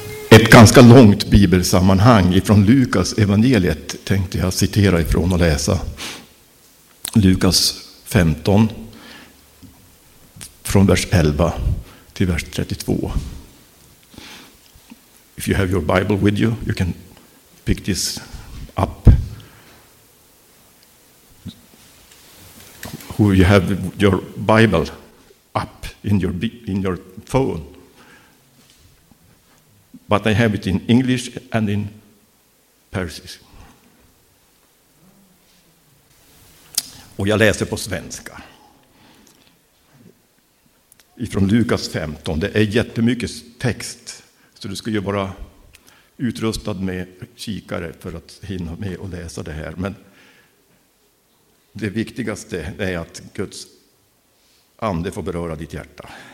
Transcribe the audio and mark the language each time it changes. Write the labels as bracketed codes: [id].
[sv] Ett ganska långt bibelsammanhang ifrån Lukas evangeliet tänkte jag citera ifrån och läsa. Lukas 15 från vers 11 till vers 32. [en] If you have your Bible with you, you can pick this up. Who you have your Bible up in your phone. But I have it in English and in Persis. [sv] Och jag läser på svenska. Ifrån Lukas 15. Det är jättemycket text. Så du ska ju vara utrustad med kikare för att hinna med och läsa det här. Men det viktigaste är att Guds ande får beröra ditt hjärta.